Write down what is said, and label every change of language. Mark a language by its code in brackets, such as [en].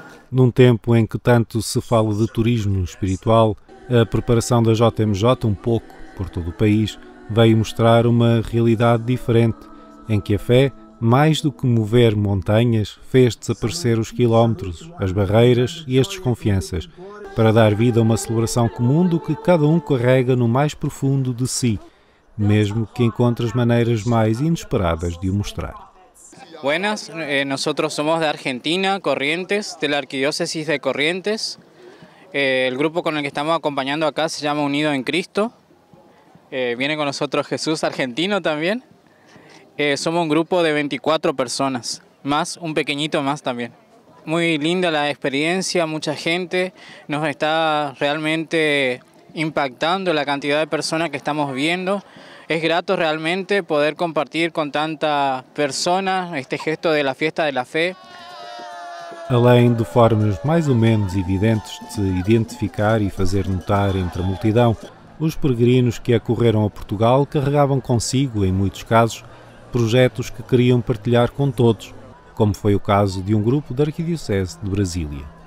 [pt] Num tempo em que tanto se fala de turismo espiritual, a preparação da JMJ, um pouco por todo o país, veio mostrar uma realidade diferente, em que a fé, mais do que mover montanhas, fez desaparecer os quilómetros, as barreiras e as desconfianças, para dar vida a uma celebração comum do que cada um carrega no mais profundo de si, mesmo que encontre as maneiras mais inesperadas de o mostrar. [es] Buenas, nosotros somos de Argentina, Corrientes, de la Arquidiócesis de Corrientes. El grupo con el que estamos acompañando acá se llama Unido en Cristo. Viene con nosotros Jesús, argentino también. Somos un grupo de 24 personas, más un pequeñito más también. Muy linda la experiencia, mucha gente. Nos está realmente impactando la cantidad de personas que estamos viendo. Es grato realmente poder compartir con tanta persona este gesto de la fiesta de la fe. [pt] Além de formas mais ou menos evidentes de se identificar e fazer notar entre a multidão, os peregrinos que acorreram a Portugal carregavam consigo, em muitos casos, projetos que queriam partilhar com todos, como foi o caso de um grupo da Arquidiocese de Brasília.